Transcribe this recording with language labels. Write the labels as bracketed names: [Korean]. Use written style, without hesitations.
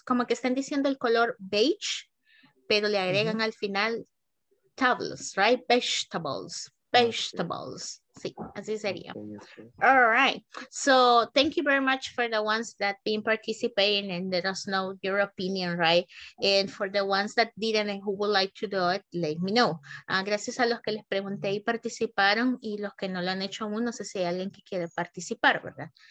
[Spanish] Como que estén diciendo el color beige, pero le agregan al final tables, right? Vegetables. Sí, así sería. All right. [English] So thank you very much for the ones that been participating and let us know your opinion, right? And for the ones that didn't and who would like to do it, let me know. [Spanish] Gracias a los que les pregunté y participaron y los que no lo han hecho aún, no sé si hay alguien que quiere participar, ¿verdad?